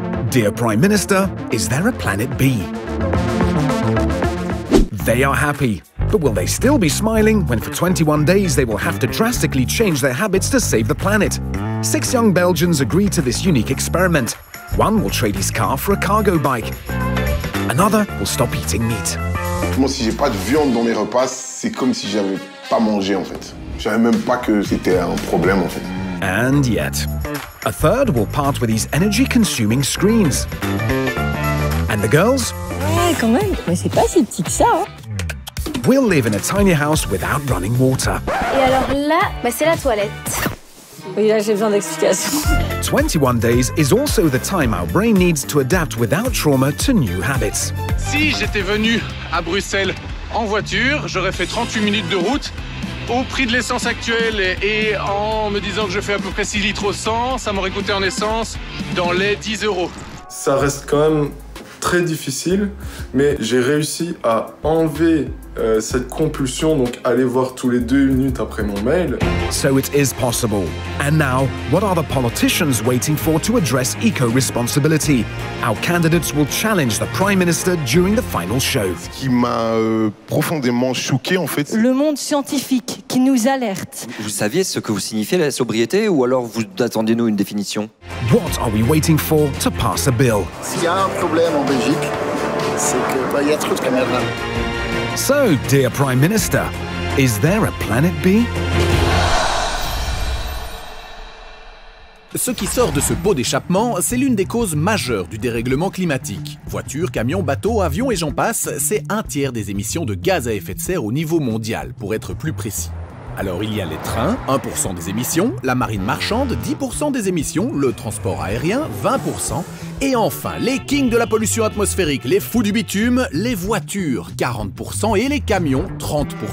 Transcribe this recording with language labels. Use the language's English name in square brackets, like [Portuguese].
[English] Dear Prime Minister, is there a planet B? They are happy. But will they still be smiling when for 21 days they will have to drastically change their habits to save the planet? Six young Belgians agree to this unique experiment. One will trade his car for a cargo bike. Another will stop eating meat. [French] Moi, si j'ai pas de viande dans mes repas, c'est comme si j'avais pas mangé, en fait. Je savais même pas que c'était un problème, en fait. [English] And yet, a third will part with these energy-consuming screens. And the girls? [French] Ouais, quand même. Mais c'est pas si petit que ça, hein. [English] We'll live in a tiny house without running water. [French] Et alors là, bah c'est la toilette. Oui, là, j'ai besoin d'explications. [English] 21 days is also the time our brain needs to adapt without trauma to new habits. [French] Si j'étais venu à Bruxelles en voiture, j'aurais fait 38 minutes de route. Au prix de l'essence actuelle et en me disant que je fais à peu près 6 litres au 100, ça m'aurait coûté en essence dans les 10 euros. Ça reste quand même très difficile, mais j'ai réussi à enlever cette compulsion, donc aller voir tous les deux minutes après mon mail. [English] So it is possible. And now, what are the politicians waiting for to address eco-responsibility? Our candidates will challenge the Prime Minister during the final show. [French] Ce qui m'a profondément choqué, en fait. Le monde scientifique qui nous alerte. Vous saviez ce que vous signifiez la sobriété, ou alors vous attendez-nous une définition? [English] What are we waiting for to pass a bill? [French] S'il y a un problème en Belgique, c'est que bah, y a trop de caméras. [English] So, dear Prime Minister, is there a planet B? [French] Ce qui sort de ce pot d'échappement, c'est l'une des causes majeures du dérèglement climatique. Voitures, camions, bateaux, avions et j'en passe, c'est un tiers des émissions de gaz à effet de serre au niveau mondial, pour être plus précis. Alors il y a les trains, 1% des émissions, la marine marchande, 10% des émissions, le transport aérien, 20%, et enfin, les kings de la pollution atmosphérique, les fous du bitume, les voitures, 40%, et les camions, 30%.